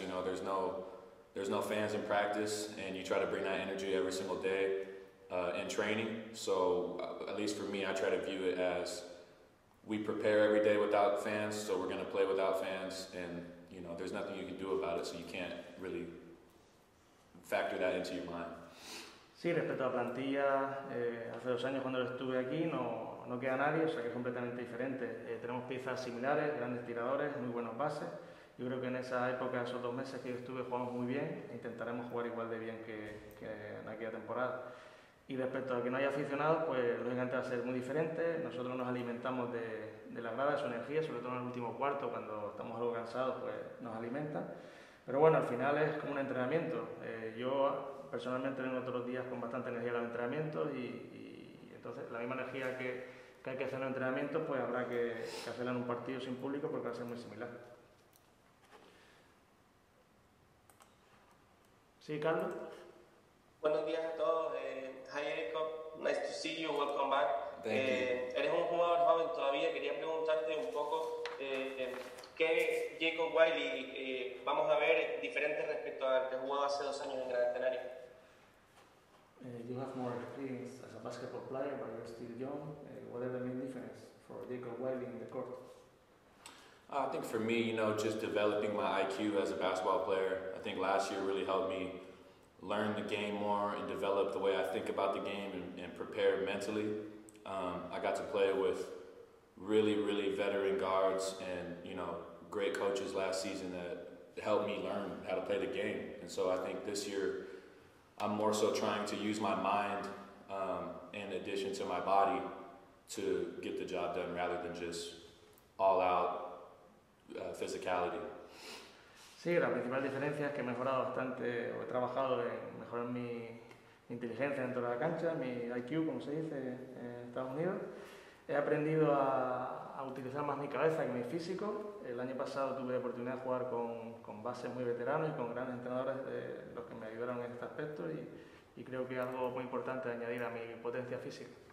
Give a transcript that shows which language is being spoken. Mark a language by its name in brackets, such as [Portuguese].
[English] You know, there's no fans in practice, and you try to bring that energy every single day in training. So at least for me, I try to view it as we prepare every day without fans, so we're going to play without fans, and you know, there's nothing you can do about it, so you can't really factor that into your mind. [Spanish] Sí, respecto a la plantilla, hace 2 años cuando estuve aquí no queda nadie, o sea que es completamente diferente. Tenemos piezas similares, grandes tiradores, muy buenos bases. Yo creo que en esa época, esos 2 meses que yo estuve, jugamos muy bien e intentaremos jugar igual de bien que en aquella temporada. Y respecto a que no haya aficionados, pues lógicamente va a ser muy diferente. Nosotros nos alimentamos de la grada, de su energía, sobre todo en el último cuarto, cuando estamos algo cansados, pues nos alimenta. Pero bueno, al final es como un entrenamiento. Yo personalmente vengo todos los días con bastante energía a los entrenamientos y entonces la misma energía que hay que hacer en los entrenamientos, pues habrá que hacerla en un partido sin público porque va a ser muy similar. ¿Sí, Carlos? Buenos días a todos. [English] Hi, Jacob. Nice to see you. Welcome back. Thank you. [Spanish] Eres un jugador joven todavía. Quería preguntarte un poco que Jacob Wiley vamos a ver diferente respecto al que jugó hace dos años en Gran Canaria? [English] You have more experience as a basketball player, but you're still young. What are the main difference for Jacob Wiley in the court? I think for me, you know, just developing my IQ as a basketball player, I think last year really helped me learn the game more and develop the way I think about the game and prepare mentally. I got to play with really, really veteran guards and, you know, great coaches last season that helped me learn how to play the game. And so I think this year I'm more so trying to use my mind in addition to my body to get the job done rather than just all out physicality. [Spanish] Sí, la principal diferencia es que he mejorado bastante, o he trabajado en mejorar mi inteligencia dentro de la cancha, mi IQ, como se dice en Estados Unidos. He aprendido a utilizar más mi cabeza que mi físico. El año pasado tuve la oportunidad de jugar con bases muy veteranos y con grandes entrenadores, los que me ayudaron en este aspecto, y creo que es algo muy importante añadir a mi potencia física.